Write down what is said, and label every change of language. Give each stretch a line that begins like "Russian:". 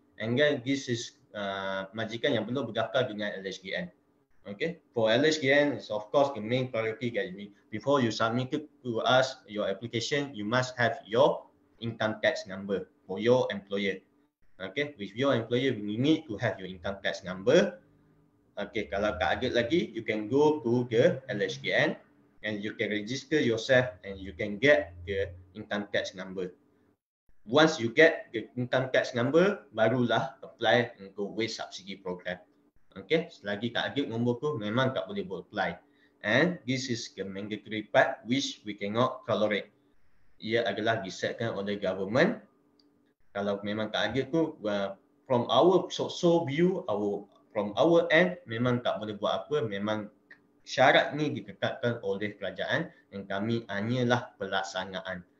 English: And then this is
Malay: majikan yang belum berdaftar dengan LHGN.
English: Okay, for LHGN, so of course the main priority that you need. Before you submit to us your application, you must have your income tax number for your employer. Okay, with your employer, you need to have your income tax number. Okay,
Malay: kalau tak ada lagi,
English: you can go to the LHGN and you can register yourself and you can get the income tax number. Once you get the income tax number,
Malay: barulah
English: apply untuk wage subsidy program.
Malay: Okay, selagi tak ada nombor tu, memang tak boleh buat apply.
English: And this is the mandatory part which we cannot tolerate.
Malay: Ia adalah disetkan oleh government. Kalau memang tak ada tu,
English: from our so view, from our end,
Malay: memang tak boleh buat apa. Memang syarat ni diketatkan oleh kerajaan dan kami hanyalah pelaksanaan.